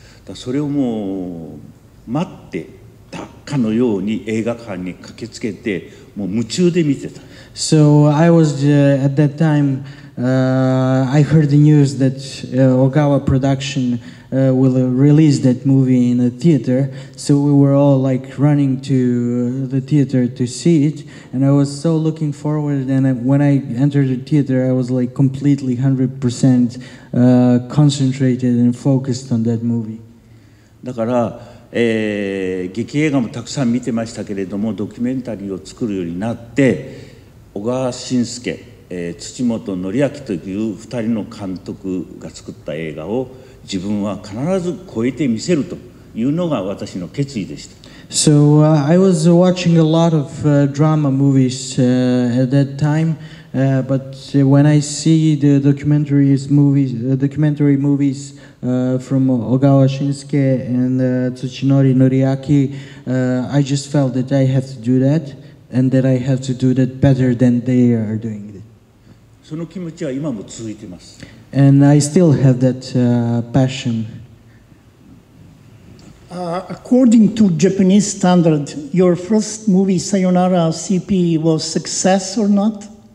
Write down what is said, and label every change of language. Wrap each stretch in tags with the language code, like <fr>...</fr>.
<ja>だそれをもう待ってたかのように映画館に駆けつけてもう夢中で見てた。</ja> <en>So I was at that time, I heard the news that Ogawa Production will release that movie in a theater. So we were all like running to the theater to see it, and I was so looking forward. And when I entered the theater, I was like completely 100% concentrated and focused on that movie.</en> <ja>だから劇映画もたくさん見てましたけれども、ドキュメンタリーを作るようになって、小川慎介、土本範明という2人の監督が作った映画を自分は必ず超えてみせるというのが私の決意でした。</ja> <en>So, I was watching a lot of drama movies at that time, but when I see the documentary movies,from Ogawa Shinsuke and Tsuchinori Noriaki, I just felt that I have to do that and that I have to do that better than they are doing it.</en> <ja>その気持ちは今も続いてます。</ja> <en>And I still have that passion. According to Japanese standard, your first movie, Sayonara CP, was success or not?</en>